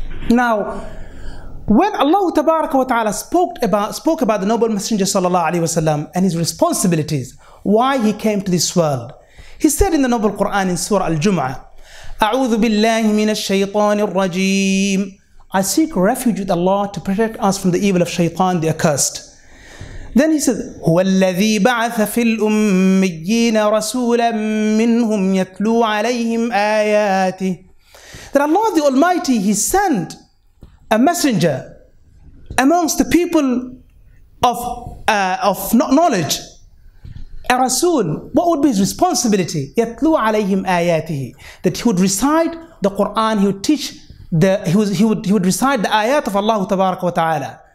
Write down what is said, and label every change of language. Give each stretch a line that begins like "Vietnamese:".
English: Now, when Allah Tabaraka wa Ta'ala spoke about the Noble Messenger sallallahu alayhi wa sallam and his responsibilities, why he came to this world, he said in the Noble Quran in Surah Al-Jum'ah,
Arabic: أعوذ بالله من الشيطان الرجيم,
English: I seek refuge with Allah to protect us from the evil of Shaytan, the accursed. Then he said,
Arabic: هو الذي بعث في الأميين رسولا منهم يتلو عليهم آياته.
English: That Allah the Almighty, he sent a messenger amongst the people of not knowledge, a rasul. What would be his responsibility? Yatlu alayhim ayatihi, that he would recite the Quran, he would teach he would recite the ayat of Allah tabaraka wa ta'ala.